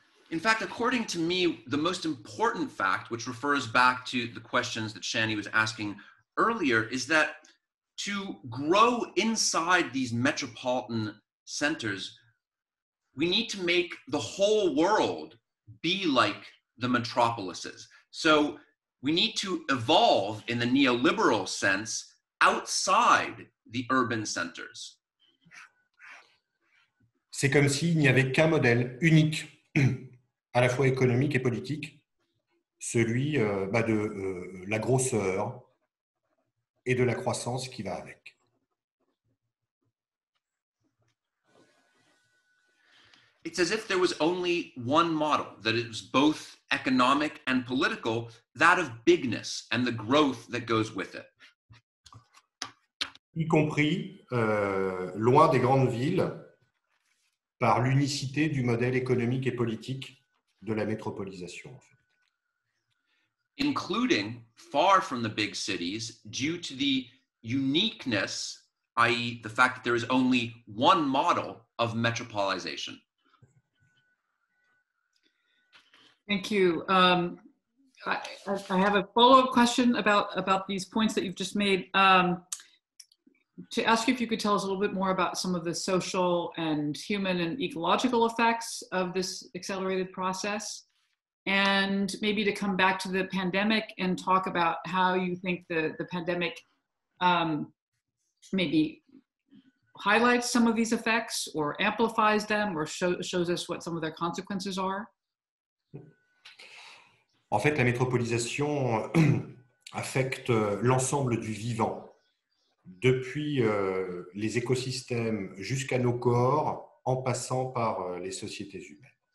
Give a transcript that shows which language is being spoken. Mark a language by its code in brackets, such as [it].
[en] In fact, according to me, the most important fact, which refers back to the questions that Shanny was asking earlier, is that to grow inside these metropolitan centers, we need to make the whole world be like the metropolises. So we need to evolve in the neoliberal sense outside the urban centers. [fr] C'est comme s'il n'y avait qu'un modèle unique. À la fois économique et politique, celui de la grosseur et de la croissance qui va avec. [en] It's as if there was only one model, that it was both economic and political, that of bigness and the growth that goes with it. [fr] Y compris loin des grandes villes, par l'unicité du modèle économique et politique de la métropolisation, en fait. [en] Including far from the big cities, due to the uniqueness, i.e. the fact that there is only one model of metropolisation. Thank you. I have a follow-up question about these points that you've just made. To ask you if you could tell us a little bit more about some of the social and human and ecological effects of this accelerated process, and maybe to come back to the pandemic and talk about how you think the pandemic maybe highlights some of these effects or amplifies them or shows us what some of their consequences are. [fr] En fait, la métropolisation affecte l'ensemble du vivant. Depuis les écosystèmes jusqu'à nos corps, en passant par les sociétés humaines.